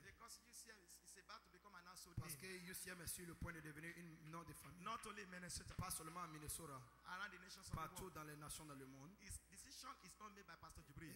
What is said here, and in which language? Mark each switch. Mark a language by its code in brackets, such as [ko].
[en] Because UCM is about to become an household. [fr] Parce que UCM est sur le point de devenir une nom de famille. [en] Not only Minnesota. [fr] Pas seulement à Minnesota. [en] Around the nations [fr] partout [en] of the world. [fr] Dans les nations dans le monde. [en] His decision is not made by Pastor Jibril.